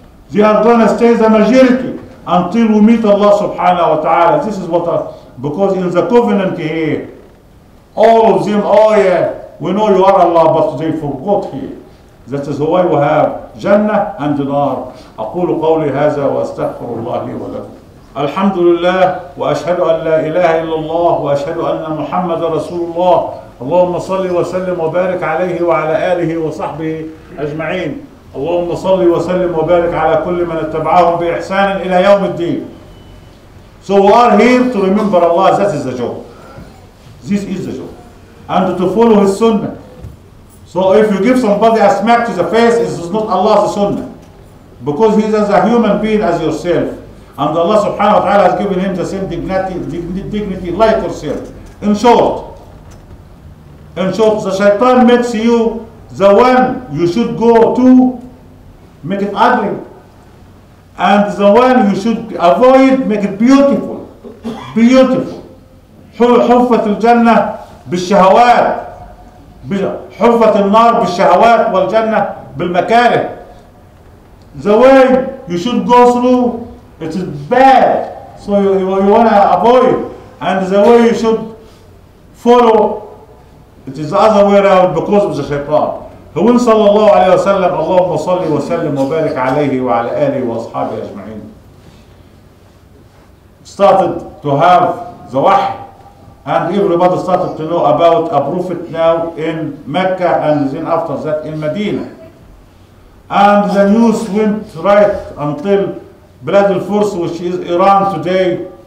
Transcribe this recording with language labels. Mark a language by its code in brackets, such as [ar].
[en] They are going to stay the majority until we meet Allah subhanahu wa ta'ala. This is what, because in the covenant here, all of them, oh yeah, we know you are Allah, but they forgot here. That is why we have Jannah and Nar. [ar] أقول قولي هذا وأستغفر الله لي ولكم. الحمد لله وأشهد أن لا إله إلا الله وأشهد أن محمد رسول الله. اللهم صل وسلم وبارك عليه وعلى آله وصحبه أجمعين. اللهم صل وسلم وبارك على كل من اتبعهم بإحسان إلى يوم الدين. [en] So we are here to remember Allah. That is the job. This is the job. And to follow His Sunnah. So if you give somebody a smack to the face, it is not Allah's sunnah. Because he is as a human being as yourself. And Allah subhanahu wa ta'ala has given him the same dignity like yourself. In short, the shaitan makes you the one you should go to, make it ugly. And the one you should avoid, make it beautiful. Beautiful. [ar] حُفَّةِ الْجَنَّةِ بِالشَّهَوَاتِ حفة النار بالشهوات والجنة بالمكاره. [en] The way you should go through, it is bad. So you want to avoid. And the way you should follow, it is the other way around because of the shaitan. [ar] هو صلى الله عليه وسلم اللهم صل وسلم وبارك عليه وعلى آله وأصحابه أجمعين. [en] Started to have the wahy, and everybody started to know about a prophet now in Mecca and then after that in Medina. And the news went right until Bilad al-Furs, which is Iran today.